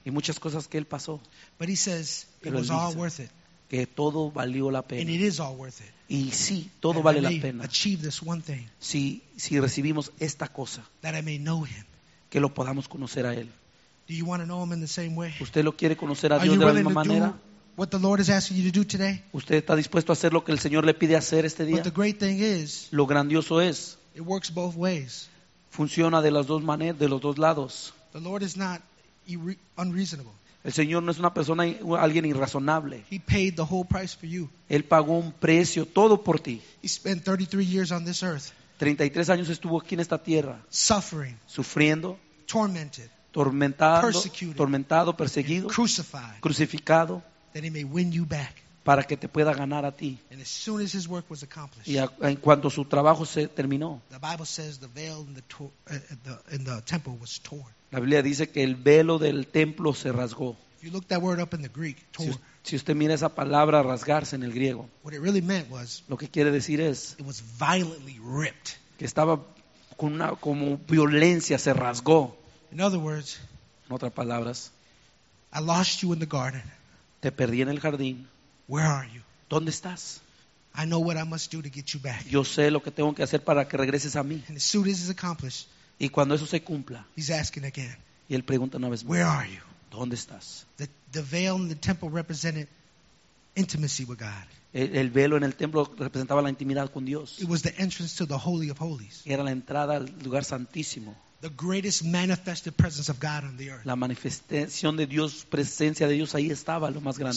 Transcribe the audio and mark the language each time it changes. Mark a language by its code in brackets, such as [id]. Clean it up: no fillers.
[es] Y muchas cosas que él pasó. [en] But he says [es] pero [en] it was all worth it. [es] Que todo valió la pena. [en] And it is all worth it. [es] Y sí, todo [en] that [es] vale [en] I may [es] la pena. [en] Achieve this one thing. [es] Si recibimos esta cosa. [en] That I may know him. [es] Que lo podamos conocer a él. [en] Do you want to know him in the same way? [es] ¿Usted lo quiere conocer a Dios de la misma manera? [en] What the Lord is asking you to do today. [es] ¿Usted está dispuesto a hacer lo que el Señor le pide hacer este día? [en] But the great thing is, [es] lo grandioso es, [en] it works both ways. [es] Funciona de las dos maneras, de los dos lados. [en] The Lord is not unreasonable. [es] El Señor no es una persona, alguien irrazonable. [en] He paid the whole price for you. [es] Él pagó un precio todo por ti. [en] He spent 33 years on this earth. [es] 33 años estuvo aquí en esta tierra. [en] Suffering. [es] Sufriendo. [en] Tormented. [es] Tormentado, perseguido. [en] Crucified. [es] Crucificado. [en] That he may win you back. [es] Para que te pueda ganar a ti. [en] And as soon as his work was accomplished. [es] Y en cuanto su trabajo se terminó. [en] The Bible says the veil in the temple was torn. [es] La Biblia dice que el velo del templo se rasgó. [en] If you look that word up in the Greek, tore. [es] Si usted mira esa palabra rasgarse en el griego. [en] What it really meant was. [es] Lo que quiere decir es. [en] It was violently ripped. [es] Que estaba con una como violencia se rasgó. [en] In other words. [es] En otras palabras. [en] I lost you in the garden. [es] Te perdí en el jardín. [en] Where are you? [es] ¿Dónde estás? [en] I know what I must do to get you back. [es] Yo sé lo que tengo que hacer para que regreses a mí. [en] And as soon as it's accomplished, [es] y cuando eso se cumpla, [en] he's asking again, [es] y él pregunta una vez más, [en] where are you? [es] ¿Dónde estás? [en] The veil in the temple represented intimacy with God. [es] El velo en el templo representaba la intimidad con Dios. [en] It was the entrance to the Holy of Holies. [es] Era la entrada al lugar santísimo. [en] The greatest manifested presence of God on the earth. [es] La manifestación de Dios, presencia de Dios ahí estaba lo más grande.